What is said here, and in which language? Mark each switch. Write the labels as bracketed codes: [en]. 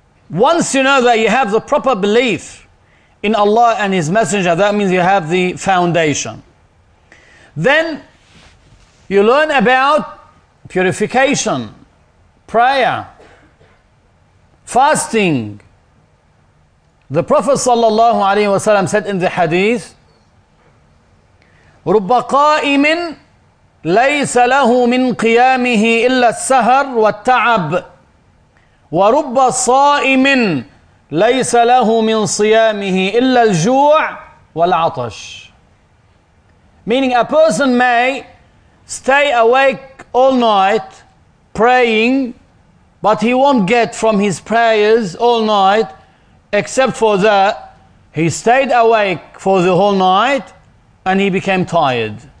[en] Once you know that you have the proper belief in Allah and His Messenger, that means you have the foundation. Then you learn about purification, prayer, fasting. The Prophet sallallahu alaihi wasallam said in the hadith, [ar] رُبَّ قَائِمٍ لَيْسَ لَهُ مِنْ قِيَامِهِ إِلَّا السَّهَرُ وَالتَّعَبُ وَرُبَّ صَائِمٍ لَيْسَ لَهُ مِنْ صِيَامِهِ إِلَّا الْجُوعُ وَالْعَطَشُ. [en] Meaning, a person may stay awake all night praying, but he won't get from his prayers all night except for that he stayed awake for the whole night and he became tired.